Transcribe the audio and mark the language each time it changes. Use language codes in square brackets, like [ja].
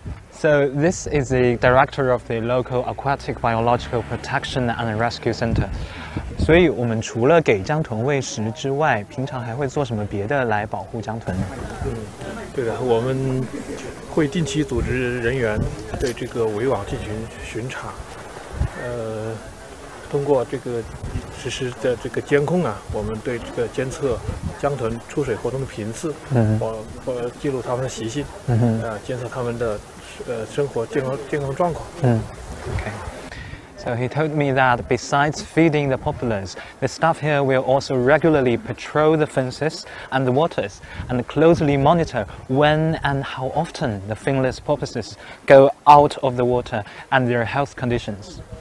[en] So this is the director of the local aquatic biological protection and rescue center. [zh] 所以我们除了给江豚喂食之外，平常还会做什么别的来保护江豚？对的，我们会定期组织人员对这个围网进行巡查，通过这个实时的这个监控啊，我们对这个监测。江豚出水活动的频次，监测它们的生活健康状况。 [en] So he told me that besides feeding the populace, the staff here will also regularly patrol the fences and the waters and closely monitor when and how often the finless porpoises go out of the water and their health conditions.